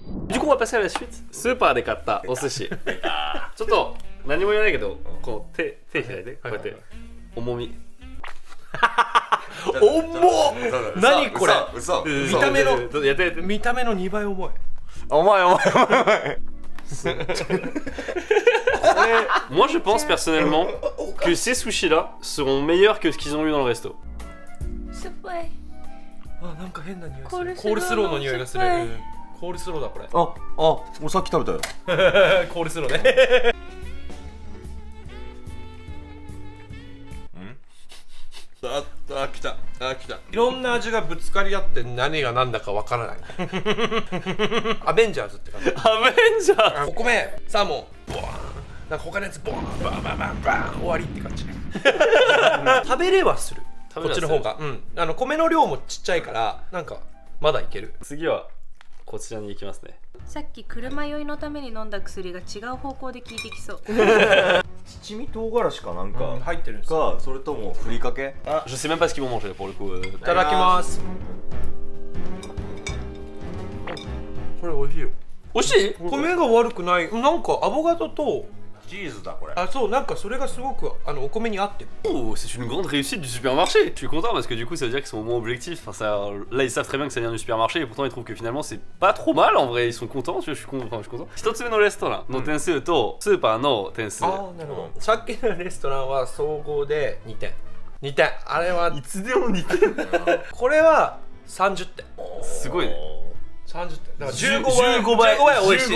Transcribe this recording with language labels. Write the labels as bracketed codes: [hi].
[ja] じゃあ私はスーパーで買ったお寿司ちょっと何も言わないけどこう手開いてこうやって重みおもっ何これ見た目の見た目の2倍重い重い [fr] Moi je pense personnellement que ces sushis là seront meilleurs que ce qu'ils ont eu dans le resto [ja] すっぱいあなんか変な匂いするコールスローの匂いがするコールスローだこれあ、俺さっき食べたよコールスローねあ、来た。あ、来た。いろんな味がぶつかり合って何が何だかわからない。アベンジャーズって感じ。アベンジャーズ。お米、サーモン、ボーン。なんか他のやつ、ボーン、バーバーバーバーン、終わりって感じ。食べれはする。こっちの方が。うん。あの、米の量もちっちゃいから、なんか、まだいける。次は、こちらに行きますね。さっき車酔いのために飲んだ薬が違う方向で効いてきそう。七味唐辛子かなんか入ってるんですか。それともふりかけ。 [fr] あ、je sais même pas ce qu'ils vont manger pour le coup。 [ja] いただきます。これ美味しいよ。美味しい？米が悪くない。なんかアボカドとチーズだこれ。あ、そうなんかそれがすごくあのお米に合ってる。 [fr] Oh, c'est une grande réussite du supermarché. Je suis content parce que du coup ça veut dire qu'ils sont au moins objectifs. Enfin ça, là ils savent très bien que ça vient du supermarché et pourtant ils trouvent que finalement c'est pas trop mal en vrai. Ils sont contents. Je suis content. [ja] 一つ目のレストランの点数とスーパーの点数。あ、なるほど。さっきのレストランは総合で2点。 2点。あれはいつでも2点。これは30点。すごいね。 30点。だから15倍美味しい。